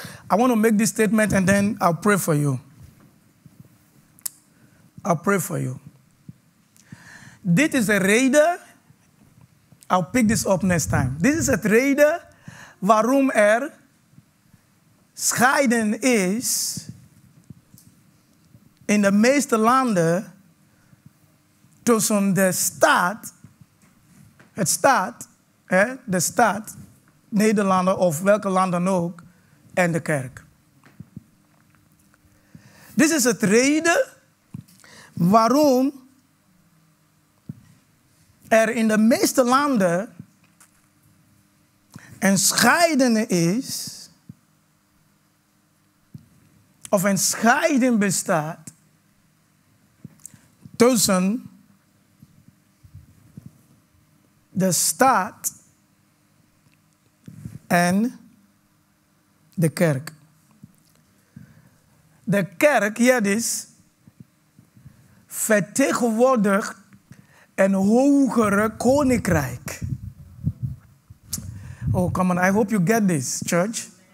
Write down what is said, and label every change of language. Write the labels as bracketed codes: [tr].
[en] I want to make this statement and then I'll pray for you. I'll pray for you. [nl] Dit is een reden. [en] I'll pick this up next time. [nl] Dit is het reden waarom er scheiden is in de meeste landen tussen de staat, het staat, hè, de staat, Nederlander of welke land dan ook, en de kerk. Dit is het reden waarom er in de meeste landen een scheiden is, of een scheiding bestaat tussen de staat en de kerk. De kerk, hier dus, vertegenwoordigt een hogere koninkrijk. [en] Oh, come on, I hope you get this, church.